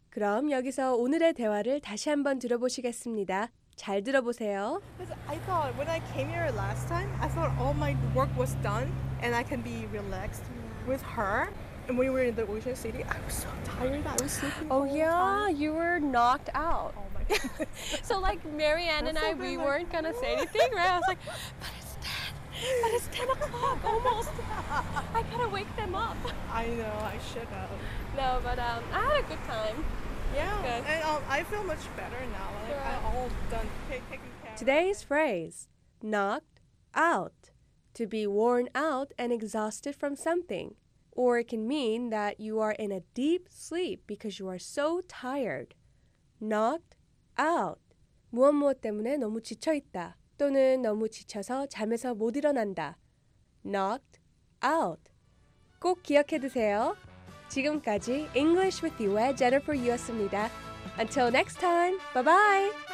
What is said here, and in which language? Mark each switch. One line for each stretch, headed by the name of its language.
Korean: 그럼 여기서 오늘의 대화를 다시 한번 들어보시겠습니다. 잘 들어보세요.
English: I thought when I came here last time, I thought all my work was done and I can be relaxed. With her, and we were in the Ocean City, I was so tired, I was sleeping all the time. Oh yeah, you were knocked out. Oh my god. So like Marianne and I, we weren't gonna say anything, right? I was like, but it's 10 o'clock almost. I gotta wake them up. I know, I should have. No, but I had a good time. Yeah, good. And I feel much better now. Like, sure. I'm all done taking care. Today's phrase, knocked out. To be worn out and exhausted from something. Or it can mean that you are in a deep sleep because you are so tired. Knocked out.
Korean: 무엇 무엇 때문에 너무 지쳐있다. 또는 너무 지쳐서 잠에서 못 일어난다.
English: Knocked out.
Korean: 꼭 기억해 두세요. 지금까지 English with You의 Jennifer Yu였습니다.
English: Until next time, bye-bye!